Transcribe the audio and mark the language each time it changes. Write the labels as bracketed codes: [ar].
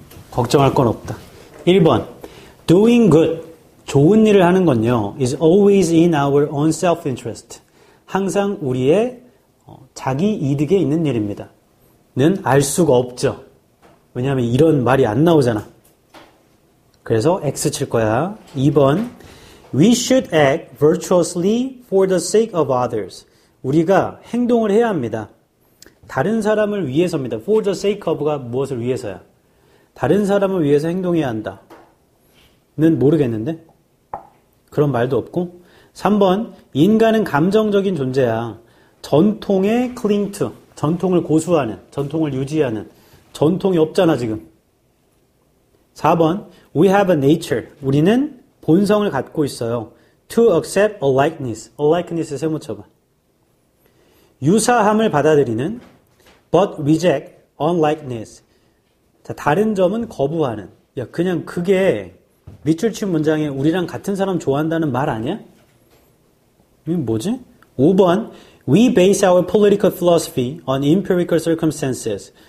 [ko] 걱정할 건 없다. 1번. [en] Doing good. [ko] 좋은 일을 하는 건요. [en] Is always in our own self-interest. [ko] 항상 우리의 자기 이득에 있는 일입니다. 는 알 수가 없죠. 왜냐하면 이런 말이 안 나오잖아. 그래서 X 칠 거야. 2번. [en] We should act virtuously for the sake of others. [ko] 우리가 행동을 해야 합니다. 다른 사람을 위해서입니다. [en] For the sake of [ko] 가 무엇을 위해서야? 다른 사람을 위해서 행동해야 한다. 는 모르겠는데? 그런 말도 없고. 3번. 인간은 감정적인 존재야. 전통에 cling to. 전통을 고수하는. 전통을 유지하는. 전통이 없잖아, 지금. 4번. [en] We have a nature. [ko] 우리는 본성을 갖고 있어요. [en] To accept a likeness. A likeness [ko] 세모쳐봐. 유사함을 받아들이는. [en] But reject unlikeness. [ko] 자, 다른 점은 거부하는. 야, 그냥 그게 밑줄 친 문장에 우리랑 같은 사람 좋아한다는 말 아니야? 이게 뭐지? 5번. [en] We base our political philosophy on empirical circumstances.